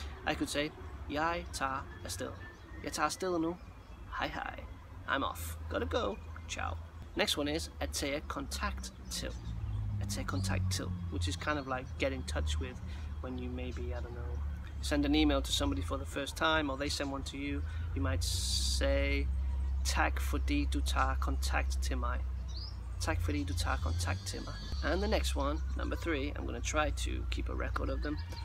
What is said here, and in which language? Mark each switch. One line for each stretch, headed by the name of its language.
English: I could say,
Danish: jeg tager afsted. Jeg tager afsted nu. Hej hej.
English: I'm off. Gotta go.
Danish: Ciao.
English: Next one is
Danish: at tage kontakt til. At tage kontakt til.
English: Which is kind of like get in touch with when you maybe, I don't know, send an email to somebody for the first time or they send one to you. You might say,
Danish: tak fordi du tager kontakt til mig. Tak fordi du tager kontakt til mig.
English: And the next one, number 3, I'm gonna try to keep a record of them.